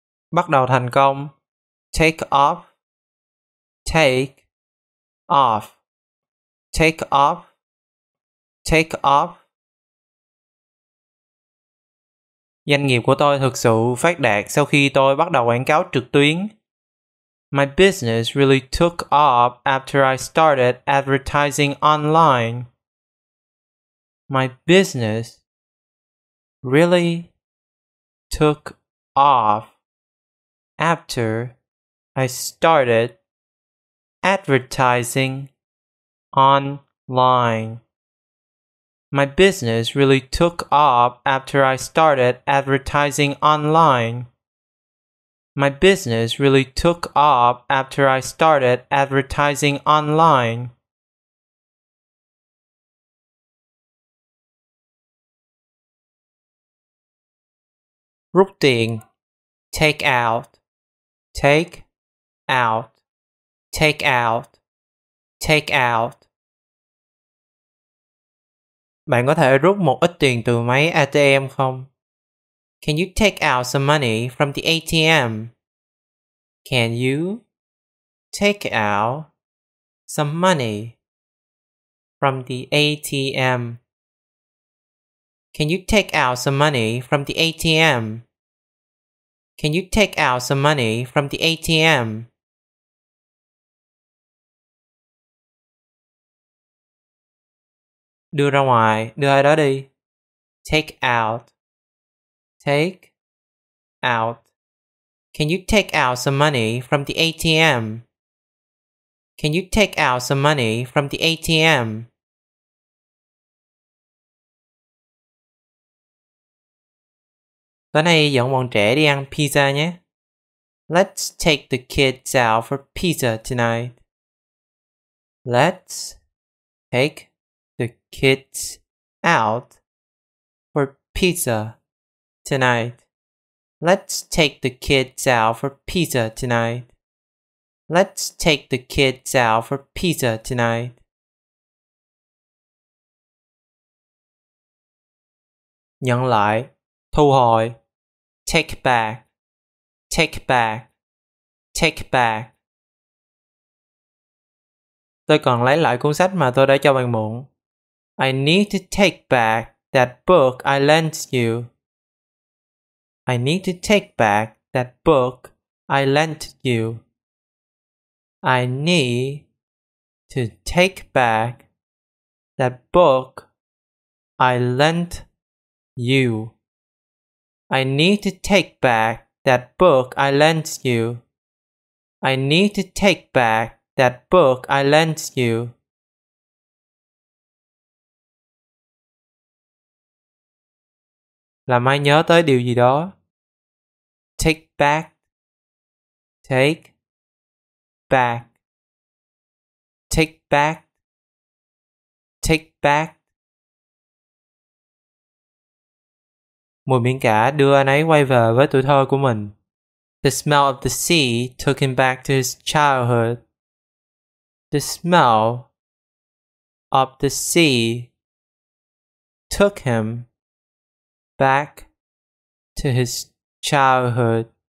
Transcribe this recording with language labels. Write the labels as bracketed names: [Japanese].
[Vietnamese] Bắt đầu thành công. [English] Take off. Take off. Take off. Take off. [Vietnamese] Doanh nghiệp của tôi thực sự phát đạt sau khi tôi bắt đầu quảng cáo trực tuyến. [English] My business really took off after I started advertising online. My business really took off after I started advertising online. My business really took off after I started advertising online. My business really took off after I started advertising online. [Vietnamese] Rút tiền. [English] Take out. Take out. Take out. Take out. [Vietnamese] Bạn có thể rút một ít tiền từ máy ATM không? [English] Can you take out some money from the ATM? Can you take out some money from the ATM? Can you take out some money from the ATM? Can you take out some money from the ATM? [Vietnamese] Đưa ra ngoài, đưa ai đó đi. [English] Take out. Take out. Can you take out some money from the ATM? Can you take out some money from the ATM? [Vietnamese] Tối nay dẫn bọn trẻ đi ăn pizza nhé. [English] Let's take the kids out for pizza tonight. Let's take the kids out for pizza tonight. Let's take the kids out for pizza tonight. Let's take the kids out for pizza tonight. [Vietnamese] Nhận lại, thu hồi. [English] Take back, take back, take back. [Vietnamese] Tôi cần lấy lại cuốn sách mà tôi đã cho bạn mượn. [English] I need to take back that book I lent you. I need to take back that book I lent you. I need to take back that book I lent you. I need to take back that book I lent you. I need to take back that book I lent you. [Vietnamese] Làm ai nhớ tới điều gì đó? [English] Take back. Take back. Take back. Take back. [Vietnamese] Mùi biển cả đưa anh ấy quay về với tuổi thơ của mình. [English] The smell of the sea took him back to his childhood. The smell of the sea took him back to his childhood.